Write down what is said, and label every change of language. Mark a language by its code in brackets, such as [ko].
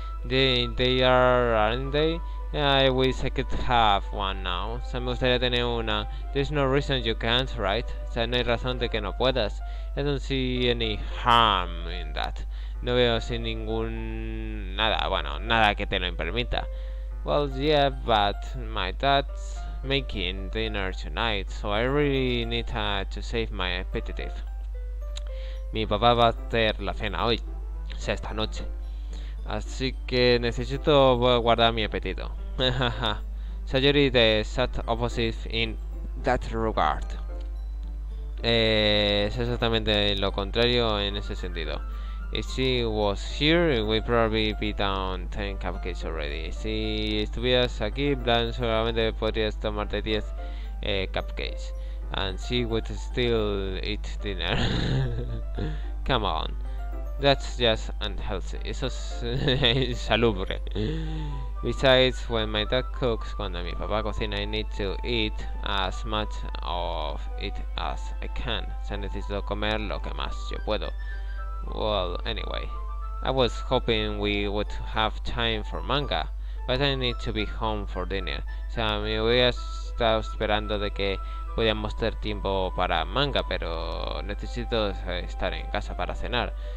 [en] They are, aren't they? I wish I could have one now. [es] O sea, me gustaría tener una. [en] There's no reason you can't, right? [es] O sea, no hay razón de que no puedas. [en] I don't see any harm in that. [es] No veo así ningún nada, bueno, nada que te lo permita. [en] Well, yeah, but my dad's making dinner tonight, so I really need to save my appetite. [es] Mi papá va a hacer la cena hoy, o sea, esta noche. Así que necesito guardar mi apetito. Jajaja. [en] So you're the exact opposite in that regard. [es] Es exactamente lo contrario en ese sentido. [en] If she was here, we'd probably be down 10 cupcakes already. [es] Si estuvieras aquí, Blanche, solamente podrías tomarte 10 cupcakes. [en] And she would still eat dinner. Come on. That's just unhealthy. [es] Eso es insalubre. [en] Besides, when my dad cooks, [es] cuando mi papá cocina, [en] I need to eat as much of it as I can. [es] O sea, necesito comer lo que más yo puedo. [en] Well, anyway, I was hoping we would have time for manga, but I need to be home for dinner. [es] O sea, me hubiera estado esperando de que podíamos tener tiempo para manga, pero necesito estar en casa para cenar.